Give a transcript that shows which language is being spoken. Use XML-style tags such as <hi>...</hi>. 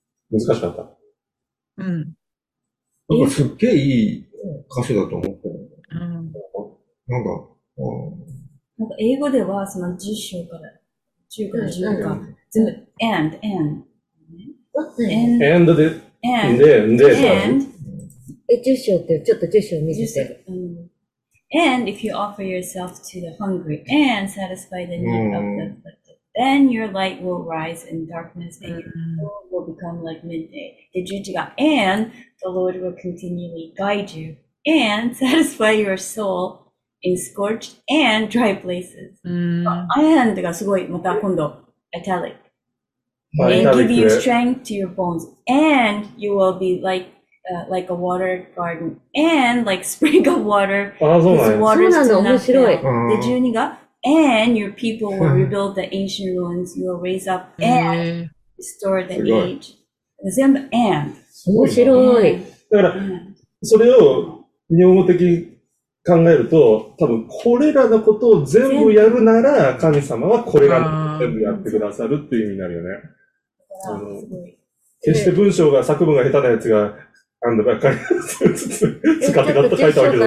<ja>難しかった。うん。なんかすっげえいい歌詞だと思って。うん。なんか、なんか英語ではその10章から10から10なんか全部 and and で and で</ja> <en>and</en> <ja>10章ってちょっと10章見せて、</ja> <en>and if you offer yourself to the hungry and satisfy the need of the afflicted, then your light will rise in darkness and your soul will become like midday.</en> <ja>で11が</ja> <en>and the Lord will continually guide you and satisfy your soul. in scorched and dry places. And</en> <ja>がすごい、また今度、</ja> <en>italic. And give you strength to your bones. And you will be like a water garden. And like spring of water.</en> <ja>そうなんだ、面白い。 12が、</ja> <en>and your people will rebuild the ancient ruins. You will raise up and restore the age.</en> <ja>全部 and. 面白い。だから、それを日本語的考えると、多分これらのことを全部やるなら、神様はこれらのことを全部やってくださるっていう意味になるよね。あの、決して文章が、作文が下手なやつが、あんのばっかり使ってたって書いたわけじゃなくて。</ja>